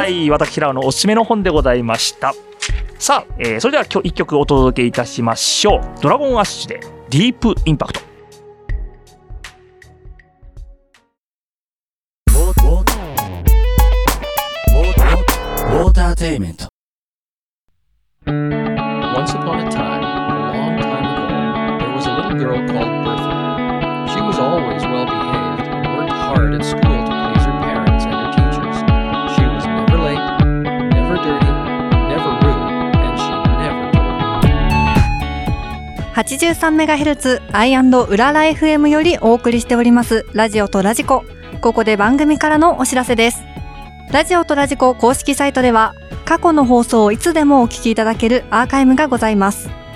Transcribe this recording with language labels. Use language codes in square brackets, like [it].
[ja] はい、私らのおすすめの本でございました。さあ、それでは今日1曲お届けいたしましょう。ドラゴンアッシュでディープインパクト。ウォーターテイメント。 [en] Once upon a time, a long time ago, there was a little girl called Bertha. She was always well behaved and worked hard at school to please her parents and her teachers. She was never late, never dirty, never rude, and she never told. [ja] 83MHz アイ&ウララ FM よりお送りしておりますラジオとラジコ。ここで番組からのお知らせです。ラジオとラジコ公式サイトでは過去の放送をいつでもお聞きいただけるアーカイブがございます。